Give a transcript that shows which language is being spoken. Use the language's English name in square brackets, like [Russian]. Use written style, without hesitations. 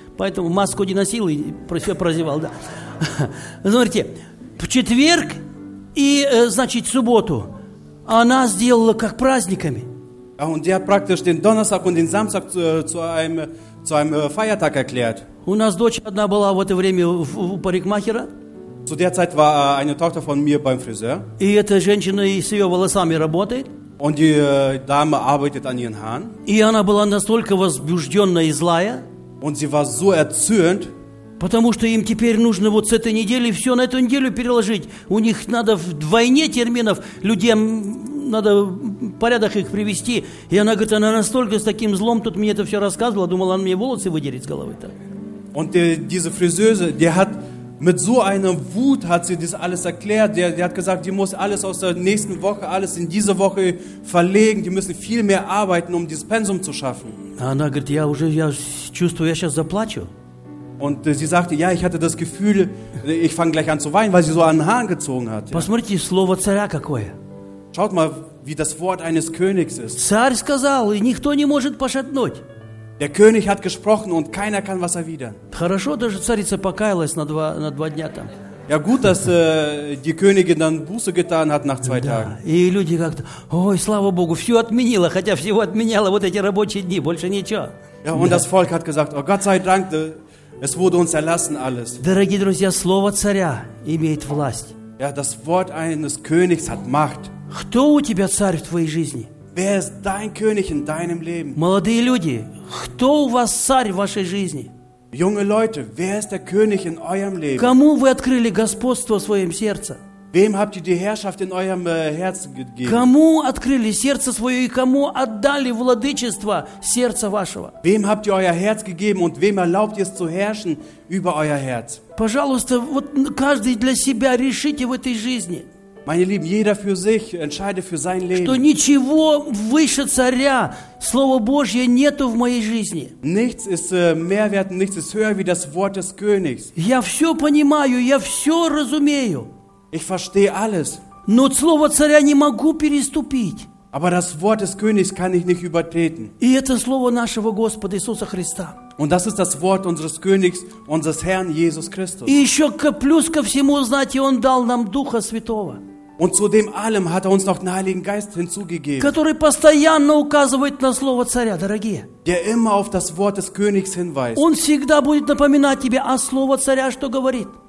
[Russian] Поэтому маску не носил и все прозевал, да. Смотрите, в четверг и, значит, субботу она сделала как праздниками. А он тебя практически Донесак и Замсак своим Фаятак erklärt. У нас дочь одна была в это время у парикмахера. [German] Zu der Zeit war eine Tochter von mir beim Friseur. [Russian] И эта женщина и с ее волосами работает. [German] Und die Dame arbeitet an ihren Haaren. [Russian] И она была настолько возбужденная и злая. [German] Und sie war so erzürnt. [Russian] Потому что им теперь нужно вот с этой недели все на эту неделю переложить. У них надо вдвойне терминов людям надо порядок их привести. И она говорит, она настолько с таким злом тут мне это все рассказывала, думала, она мне волосы выдерет с головы. [German] Und diese Friseuse, die hat mit so einer Wut hat sie das alles erklärt. Die hat gesagt, die muss alles aus der nächsten Woche, alles in diese Woche verlegen. Die müssen viel mehr arbeiten, um dieses Pensum zu schaffen. [Russian] Она говорит, я уже, я чувствую, я сейчас заплачу. [German] Und sie sagte, ja, ich hatte das Gefühl, ich fange gleich an zu weinen, weil sie so an den Haaren gezogen hat. [Russian] Посмотрите, слово царя какое. [German] Schaut mal, wie das Wort eines Königs ist. [Russian] Царь сказал, и никто не может пошатнуть. [German] Der König hat gesprochen und keiner kann was erwidern. [Russian] Хорошо, даже царица покаялась на два дня там. [German] Ja gut, dass die Königin dann Buße getan hat nach zwei Tagen. [Russian] И люди как-то, ой, слава Богу, все отменила, хотя всего отменяла вот эти рабочие дни, больше ничего. [German] Ja, und das Volk hat gesagt, oh Gott sei Dank, es wurde uns erlassen alles. [Russian] Дорогие друзья, слово царя имеет власть. [German] Ja, das Wort eines Königs hat Macht. [Russian] Кто у тебя царь в твоей жизни? [German] Wer ist dein König in deinem Leben? [Russian] Молодые люди, кто у вас царь в вашей жизни? [German] Junge Leute, wer ist der König in eurem Leben? [Russian] Кому вы открыли господство в своем сердце? [German] Wem habt ihr die Herrschaft in eurem Herzen gegeben? [Russian] Кому открыли сердце свое и кому отдали владычество сердца вашего? [German] Wem habt ihr euer Herz gegeben und wem erlaubt ihr es zu herrschen über euer Herz? [Russian] Пожалуйста, вот каждый для себя решите в этой жизни. [German] Meine Lieben, jeder für sich entscheidet für sein Leben. [Russian] Что ничего выше царя, слово Божье нету в моей жизни. [German] Nichts ist mehr wert, nichts ist höher wie das Wort des Königs. [Russian] Я все понимаю, я все разумею. [German] Ich verstehe alles. [Russian] Но слово царя не могу переступить. [German] Aber das Wort des Königs kann ich nicht übertreten. [Russian] И это слово нашего Господа Иисуса Христа. [German] Und das ist das Wort unseres Königs, unseres Herrn Jesus Christus. [Russian] И еще плюс ко всему, знаете, Он дал нам Духа Святого. [German] Und zu dem allem hat uns noch den Heiligen Geist hinzugegeben. [Russian] Который постоянно указывает на слово царя, дорогие. [German] Der immer auf das Wort des Königs hinweist. [Russian] Он всегда будет напоминать тебе о слово царя, что говорит.